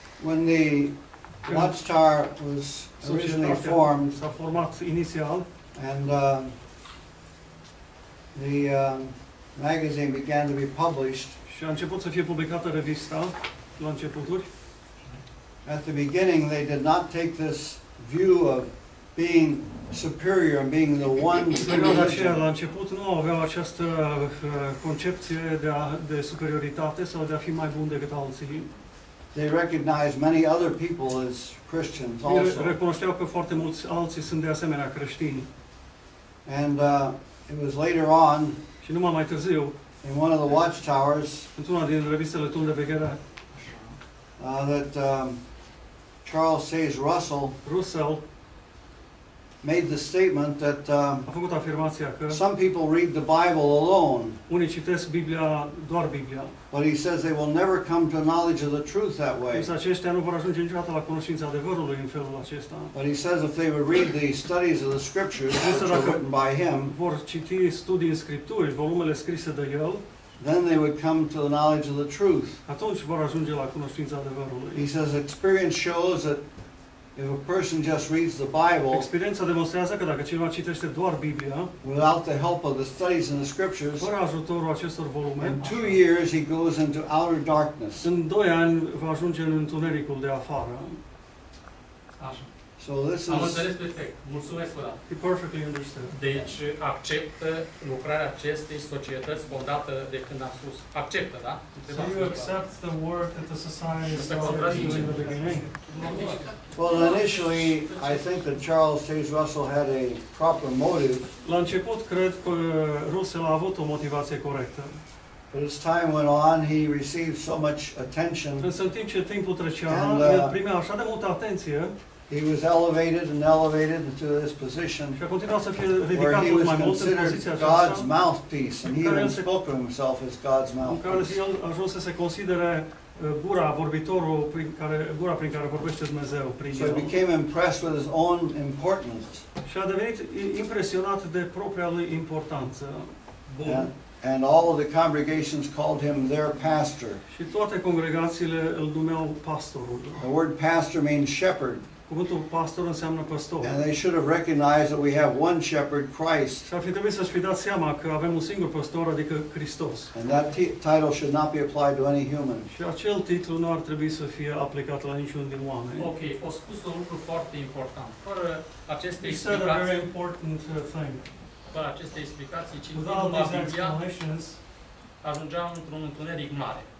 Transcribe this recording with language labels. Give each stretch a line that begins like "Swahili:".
English: When the Watchtower was originally formed,
Romanian: s-a format inițial,
English: and the magazine began to be published.
Romanian: Și a început să fie publicată revista la începuturi.
English: At the beginning, they did not take this view of being superior and being the one true religion.
Romanian: De aceea, la început, nu aveau această concepție de superioritate sau de a fi mai bun decât alții.
English: They recognized many other people as Christians also.
Romanian: Ei recunoșteau că foarte mulți alții sunt de asemenea creștini.
English: And it was later on.
Romanian: Și numai mai târziu.
English: In one of the watchtowers.
Romanian: Într-una din revistele Tunde de Vechere.
English: That Charles Sage Russell.
Romanian: Russell.
English: Made the statement that.
Romanian: A făcut afirmația că.
English: Some people read the Bible alone.
Romanian: Unii citesc Biblia doar Biblia.
English: But he says they will never come to knowledge of the truth that way.
Romanian: Aceștia nu vor ajunge niciodată la cunoștința adevărului în felul acesta.
English: But he says if they would read the studies of the scriptures which are written by him,
Romanian: vor citi studii în scripturi, volumele scrise de el,
English: then they would come to the knowledge of the truth.
Romanian: Atunci vor ajunge la cunoștința adevărului.
English: He says experience shows that if a person just reads the Bible,
Romanian: experiența demonstrează că dacă cineva citește doar Biblia,
English: without the help of the studies in the scriptures,
Romanian: fără ajutorul acestor volume,
English: in 2 years he goes into outer darkness.
Romanian: În 2 ani va ajunge în întunericul de afară. Așa.
English: So this is.
Romanian: Am înțeles perfect. Mulțumesc pentru asta.
English: He perfectly understood.
Romanian: Deci acceptă lucrarea acestei societăți fondată de când a spus. Acceptă, da?
English: So you accept the work that the society is doing in the beginning? Well, initially, I think that Charles Sage Russell had a proper motive.
Romanian: La început, cred că Russell a avut o motivație corectă.
English: But as time went on, he received so much attention.
Romanian: Însă, în timp ce timpul trecea, el primea așa de multă atenție.
English: He was elevated and elevated into this position where he was considered God's mouthpiece, and he even spoke of himself as God's mouthpiece.
Romanian: Gura vorbitorul prin care gura prin care vorbește Dumnezeu prin el.
English: So he became impressed with his own importance.
Romanian: Și a devenit impresionat de propria lui importanță. Bun.
English: And all of the congregations called him their pastor.
Romanian: Și toate congregațiile îl numeau pastorul.
English: The word pastor means shepherd.
Romanian: Cuvântul pastor înseamnă păstor.
English: And they should have recognized that we have one shepherd, Christ.
Romanian: Și ar fi trebuit să-și fi dat seama că avem un singur păstor, adică Hristos.
English: And that title should not be applied to any human.
Romanian: Și acel titlu nu ar trebui să fie aplicat la niciun din oameni. Ok, o spus un lucru foarte important. Fără aceste explicații,
English: very important thing.
Romanian: Fără aceste explicații, cititul la Biblia, ajungeam într-un întuneric mare.